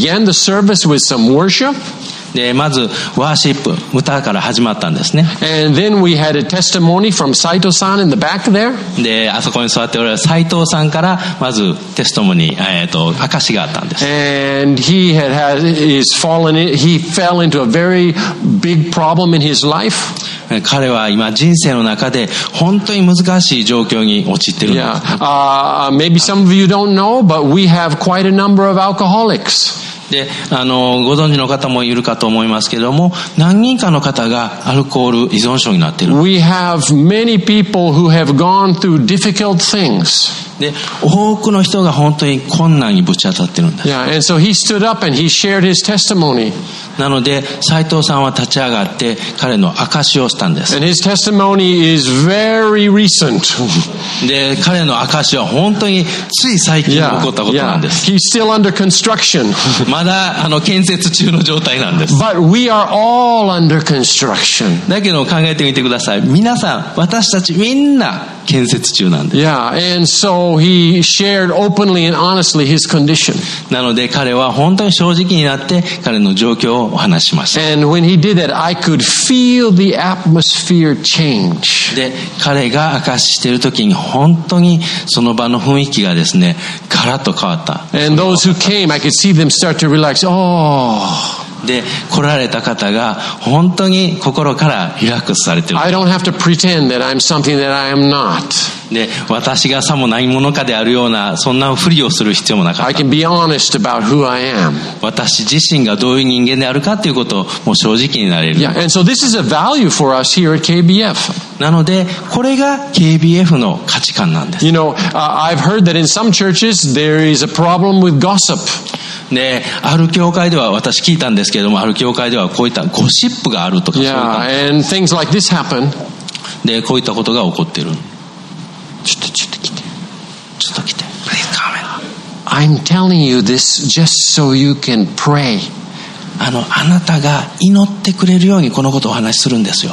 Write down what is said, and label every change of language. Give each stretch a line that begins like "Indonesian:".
English: And we began the service with some worship.
Japanese: でまずワーシップ歌から始まったんですね。
English: And then we had a testimony from Saito-san in the back there.
Japanese: であそこに座っておられる斉藤さんからまずテストモニー、証しがあったんです。
English: And he had is fallen he fell into a very big problem in his life.
Japanese: 彼は今人生の中で本当に難しい状況に陥っているんです。
English: Maybe some of you don't know, but we have quite a number of alcoholics.
Japanese: で、ご存知の方もいるかと思いますけれども、何人かの方がアルコール依存症になっているんです。
English: We have many people who have gone through difficult things.
Japanese: で多くの人が本当に困難にぶち当たってるんです。
English: Yeah, and so he stood up and he shared his testimony.
Japanese: なので斉藤さんは立ち上がって彼の証をしたんです。
English: And his testimony is very recent.
Japanese: で彼の証は本当につい最近起こったことなんです。
English: Yeah, yeah. He's still under construction.
Japanese: まだ建設中の状態なんです。
English: But we are all under construction.
Japanese: だけど考えてみてください。皆さん私たちみんな建設中なんです。
English: Yeah, and so he shared openly and honestly his condition.
Japanese: なので彼は本当に正直になって彼の状況をお話しました。
English: And when he did that, I could feel the atmosphere change.
Japanese: で彼が証ししている時に本当にその場の雰囲気がですね、ガラッと変わった。
English: And those who came, I could see them start to relax. Oh.
Japanese: で来られた方が本当に心からリラックスされている。
English: I don't have to pretend that I'm something that I am not.
Japanese: で私がさも何者かであるようなそんなふりをする必要もなかった。
English: I can be honest about who I am.
Japanese: 私自身がどういう人間であるかということをもう正直になれる。
English: Yeah, and so this is a value for us here at KBF.
Japanese: なのでこれが KBF の価値観なんです。
English: You know, I've heard that in some churches there is a problem with gossip.
Japanese: ね、ある教会では私聞いたんですけれども、ある教会ではこういったゴシップがあるとか、
English: yeah,
Japanese: そういった。
English: And things like this happen.
Japanese: で、こういったことが起こってる。ちょっと来て。
English: Please come in. I'm telling you this just so you can pray.
Japanese: あなたが祈ってくれるようにこのことをお話しするんですよ。